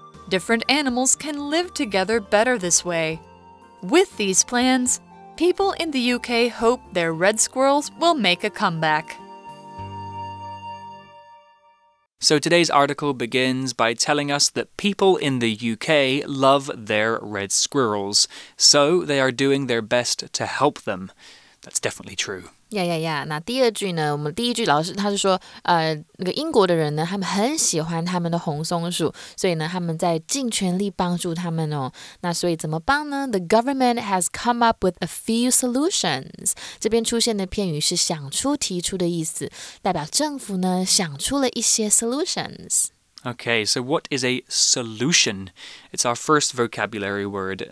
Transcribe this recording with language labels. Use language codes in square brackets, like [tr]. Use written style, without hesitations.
[en] Different animals can live together better this way. With these plans, people in the UK hope their red squirrels will make a comeback. So today's article begins by telling us that people in the UK love their red squirrels, so they are doing their best to help them. That's definitely true. Yeah, yeah, yeah. [zh] 那第二句呢？我们第一句老师他就说，那个英国的人呢，他们很喜欢他们的红松鼠，所以呢，他们在尽全力帮助他们哦。那所以怎么帮呢 [en] ？The government has come up with a few solutions. [zh] 这边出现的片语是想出、提出的意思，代表政府呢想出了一些 solutions. [en] Okay, so what is a solution? It's our first vocabulary word.